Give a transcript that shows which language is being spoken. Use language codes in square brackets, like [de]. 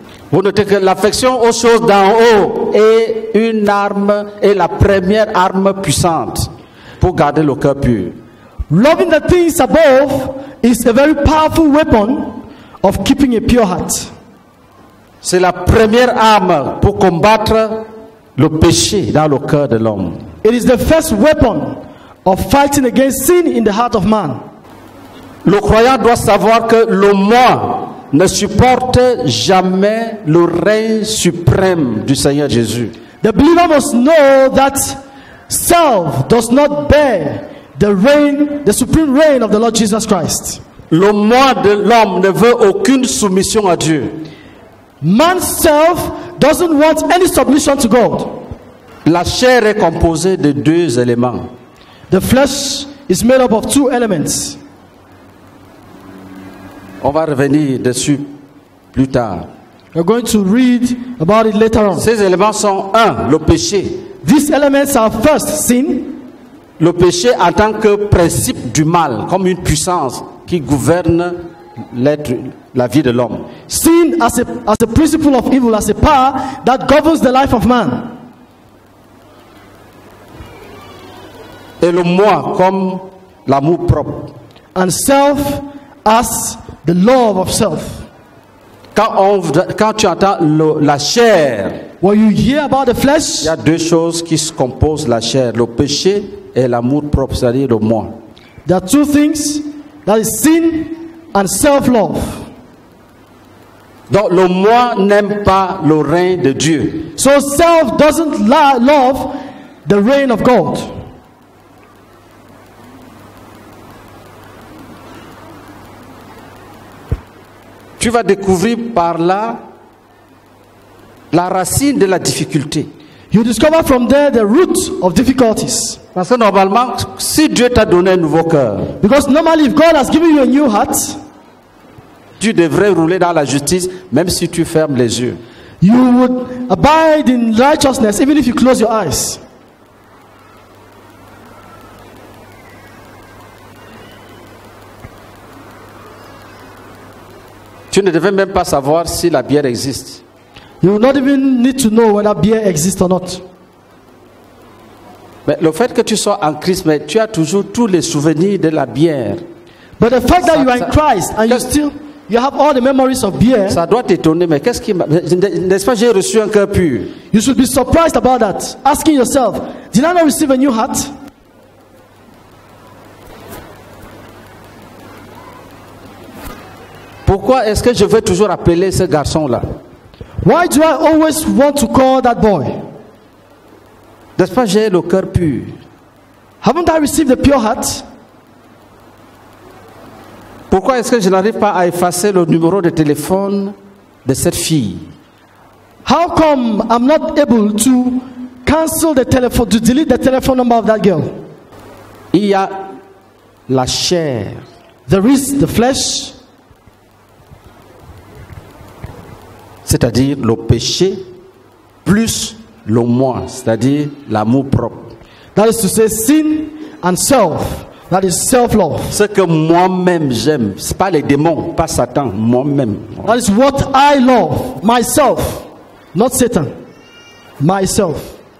[fr] Vous notez que l'affection aux choses d'en haut est une arme, est la première arme puissante pour garder le cœur pur. [en] Loving the things above is a very powerful weapon of keeping a pure heart. [fr] C'est la première arme pour combattre le péché dans le cœur de l'homme. [en] It is the first weapon of fighting against sin in the heart of man. [fr] Le croyant doit savoir que le moi ne supporte jamais le règne suprême du Seigneur Jésus. [en] The believer must know that self does not bear the reign, the supreme reign of the Lord Jesus Christ. [fr] Le moi de l'homme ne veut aucune soumission à Dieu. [en] Man's self doesn't want any submission to God. [fr] La chair est composée de deux éléments. [en] The flesh is made up of two elements. [fr] On va revenir dessus plus tard. [en] We're going to read about it later on. [fr] Ces éléments sont un, le péché. [en] These elements are first sin. [fr] Le péché en tant que principe du mal, comme une puissance qui gouverne l'être, la vie de l'homme. [en] Sin as a principle of evil, as a power that governs the life of man. [fr] Et le moi comme l'amour propre. [en] And self as the love of self. [fr] Quand tu entends la chair, [en] when you hear about the flesh, [fr] il y a deux choses qui se composent la chair, le péché et l'amour propre, c'est-à-dire le moi. [en] There are two things, that is sin and self-love. [fr] Donc le moi n'aime pas le règne de Dieu. [en] So self doesn't love the reign of God. [fr] Tu vas découvrir par là la racine de la difficulté. [en] You discover from there the root of difficulties. [fr] Parce que normalement, si Dieu t'a donné un nouveau cœur, [en] because normally if God has given you a new heart, [fr] tu devrais rouler dans la justice même si tu fermes les yeux. [en] You would abide in righteousness even if you close your eyes. [fr] Tu ne devais même pas savoir si la bière existe. [en] You will not even need to know whether beer exists or not. [fr] Mais le fait que tu sois en Christ, mais tu as toujours tous les souvenirs de la bière. [en] But the fact that you are in Christ and you still you have all the memories of beer. [fr] Ça doit t'étonner, mais qu'est-ce qui n'est-ce pas, j'ai reçu un cœur pur. [en] You should be surprised about that. Asking yourself, did I not receive a new heart? [fr] Pourquoi est-ce que je veux toujours appeler ce garçon-là? [en] Why do I always want to call that boy? [fr] N'est-ce pas, j'ai le cœur pur. [en] Haven't I received the pure heart? [fr] Pourquoi est-ce que je n'arrive pas à effacer le numéro de téléphone de cette fille? [en] How come I'm not able to cancel the telephone, to delete the telephone number of that girl? [fr] Il y a la chair. [en] There is the flesh. [fr] C'est-à-dire le péché plus le moi, c'est-à-dire l'amour propre. [en] That is to say sin and self, that is self-love. [fr] Ce que moi-même j'aime, c'est pas les démons, pas Satan, moi-même. [en] That is what I love, myself, not Satan, myself.